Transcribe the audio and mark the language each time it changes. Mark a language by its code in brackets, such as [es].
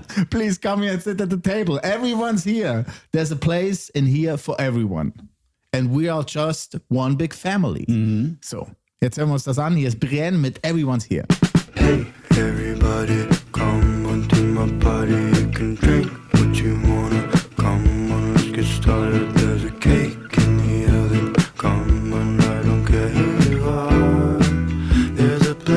[en] Please come here and sit at the table. Everyone's here. There's a place in here for everyone. And we are just one big family. Mm-hmm. [de] So, jetzt hören wir uns das an. Hier ist Brienne mit Everyone's Here. [en] Hey, everybody, come on to my party. You can drink what you wanna. Come on, let's get started. There's a cake. Come on, I don't care who you are. There's a